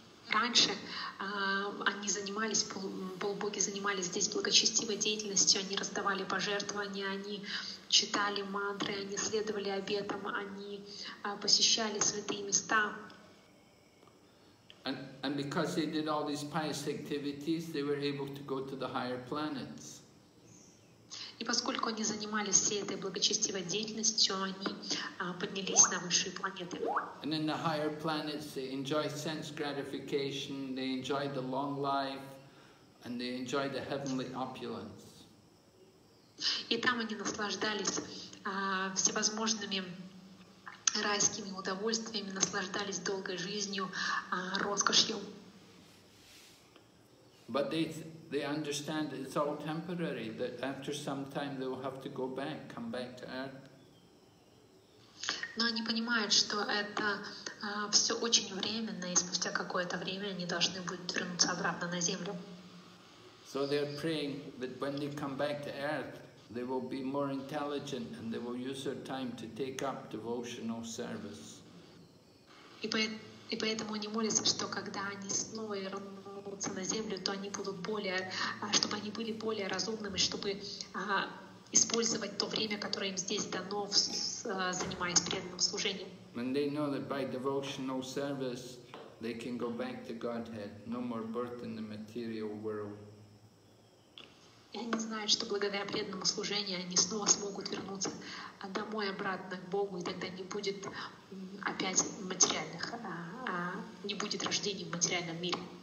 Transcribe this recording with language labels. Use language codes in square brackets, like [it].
[ru] Раньше они занимались, полубоги занимались здесь благочестивой деятельностью, они раздавали пожертвования, они читали мантры, они следовали обетам, они посещали святые места. [en] And because they did all these pious activities, they were able to go to the higher planets. [ru] И поскольку они занимались всей этой благочестивой деятельностью, они поднялись на высшие планеты. [en] And in the higher planets, they enjoy sense gratification, they enjoy the long life, and they enjoy the heavenly opulence. [ru] И там они наслаждались всевозможными райскими удовольствиями, наслаждались долгой жизнью, роскошью. [en] But they understand it's all temporary, that after some time they will have to go back, come back to Earth. [ru] Но они понимают, что это все очень временно, и спустя какое-то время они должны будут вернуться обратно на Землю. [en] So they're praying that when they come back to Earth, they will be more intelligent and they will use their time to take up devotional service. [ru] И поэтому они молятся, что когда они снова вернутся на землю, то они будут более, чтобы они были более разумными, чтобы использовать то время, которое им здесь дано, занимаясь преданным служением. [en] And they know that by devotional service they can go back to Godhead, no more birth in the material world. [ru] И они знают, что благодаря преданному служению они снова смогут вернуться домой обратно к Богу, и тогда не будет опять материальных, не будет рождений в материальном мире.